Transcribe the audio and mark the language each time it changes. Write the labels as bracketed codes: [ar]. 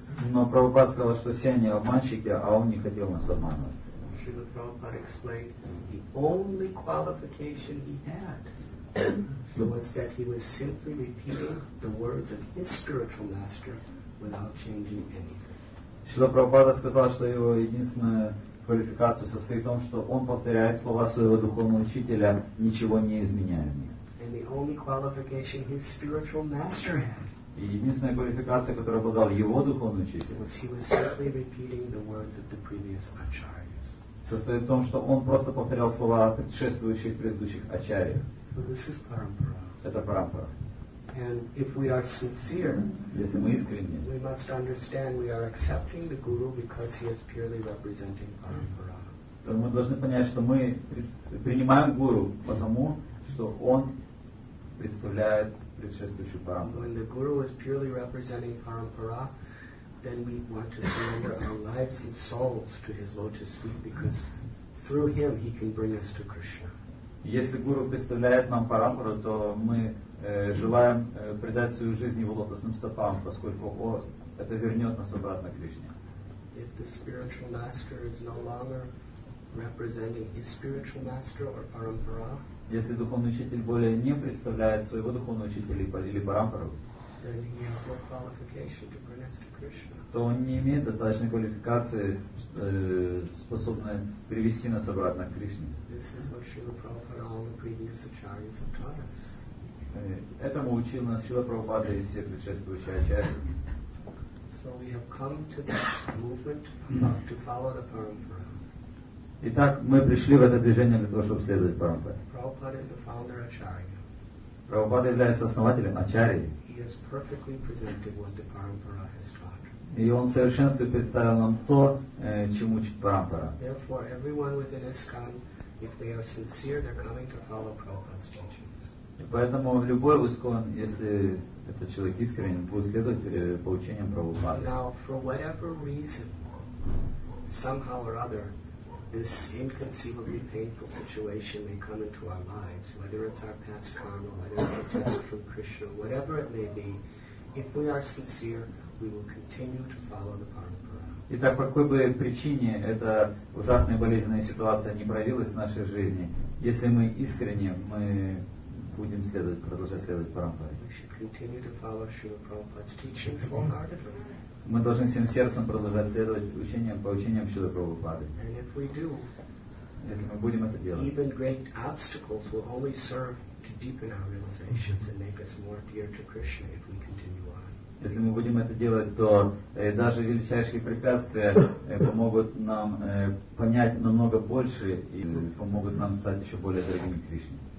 [ru] Но Прабхупада сказал, что все они обманщики, а он не хотел нас обманывать. [en] Шрила Прабхупада explained the only qualification he had. Was that he was simply repeating the words of his spiritual master without changing anything. [ru] Шрила Прабхупада сказал, что его единственная квалификация состоит в том, что он повторяет слова своего духовного учителя, ничего не изменяя в них. [en] And the only qualification his spiritual master had. [ru] И единственная квалификация, которую обладал его духовный учитель, [en] was he was simply repeating the words of the previous acharyas. [ru] Состоит в том, что он просто повторял слова предыдущих ачарьев. [en] So this is parampara. [ru] Это парампара. [en] And if we are sincere, [ru] если мы искренне, [en] we must understand we are accepting the guru because he is purely representing parampara. [ru] Мы должны понять, что мы принимаем гуру потому, что он представляет предшествующую парампару. [en] When the guru is purely representing parampara, then we want to surrender our lives and souls to his lotus feet because through him he can bring us to Krishna. [ru] Если гуру представляет нам парампару, то мы желаем предать свою жизнь его лотосным стопам, поскольку это вернет нас обратно к Кришне. [en] If the spiritual master is no longer representing his spiritual master or parampara, [ru] если духовный учитель более не представляет своего духовного учителя или парампару, [en] then he has no qualification to bring us to Krishna. [ru] То он не имеет достаточной квалификации, способной привести нас обратно к Кришне. [en] This is what Śrīla Prabhupāda and all the previous acharyas have taught us. [ru] Этому учил нас Śrīla Prabhupāda и все предшествующие ачарьи. [en] So we have come to this movement about to follow the parampara. [ru] Итак, мы пришли в это движение для того, чтобы следовать парампаре. [en] Prabhupāda is the founder acharya. [ru] Прабхупада является основателем ачарьи. [en] He has perfectly presented what the parampara has taught. [ru] И он в совершенстве представил нам то, чем учит парампара. [en] Therefore, everyone within ISKCON, if they are sincere, they're coming to follow Prabhupada's teachings. [ru] Поэтому любой ИСКОН, если этот человек искренен, будет следовать по учениям Прабхупады. [en] Now, for whatever reason, somehow or other, this inconceivably painful situation may come into our lives, whether it's our past karma, whether it's a test from Krishna, whatever it may be, if we are sincere, we will continue to follow the parampara. [ru] Итак, по какой бы причине эта ужасная болезненная ситуация не проявилась в нашей жизни, если мы искренне, мы будем продолжать следовать парампаре. [en] We should continue to follow Śrīla Prabhupāda's teachings wholeheartedly. [ru] Мы должны всем сердцем продолжать следовать учениям, по учениям Śrīla Prabhupāda. [en] And if we do, [ru] если мы будем это делать. [en] Even great obstacles will only serve to deepen our realizations and make us more dear to Krishna if we continue on. [ru] Если мы будем это делать, то даже величайшие препятствия помогут нам понять намного больше и помогут нам стать еще более дорогими Кришне.